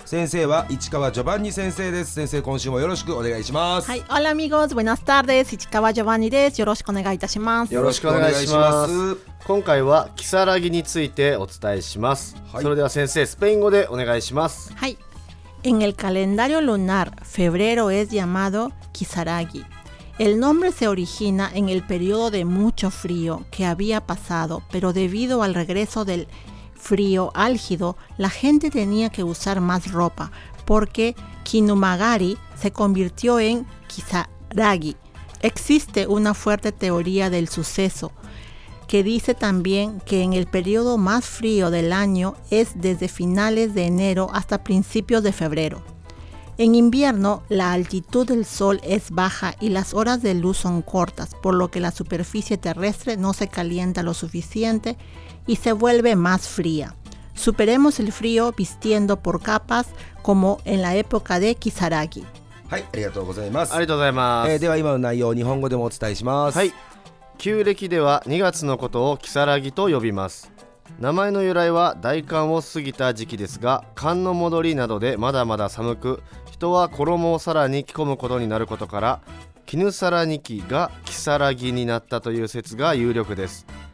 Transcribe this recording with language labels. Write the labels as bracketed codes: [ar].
[ja] 先生は市川ジョバンニ先生です。先生、今週もよろしくお願いします。はい、 [es] オラミゴーズ、ブエナスタール [ja] です。市川ジョバンニです。よろしくお願いいたします。よろしくお願いします。今回はキサラギについてお伝えします。はい、それでは先生、スペイン語でお願いします。はい。 [es] En el calendario lunar, febrero es llamado Kisaragi. El nombre se origina en el periodo de mucho frío que había pasado, pero debido al regreso del frío álgido, la gente tenía que usar más ropa, porque Kinumagari se convirtió en Kisaragi. Existe una fuerte teoría del suceso, que dice también que en el periodo más frío del año es desde finales de enero hasta principios de febrero. En invierno, la altitud del sol es baja y las horas de luz son cortas, por lo que la superficie terrestre no se calienta lo suficiente y se vuelve más fría. Superemos el frío vistiendo por capas, como en la época de Kisaragi. [ja] はい、ありがとうございます。ありがとうございます。では今の内容を日本語でもお伝えします。はい。旧暦では2月のことをキサラギと呼びます。名前の由来は大寒を過ぎた時期ですが、寒の戻りなどでまだまだ寒く、人は衣をさらに着込むことになることから、キヌサラニキがキサラギになったという説が有力です。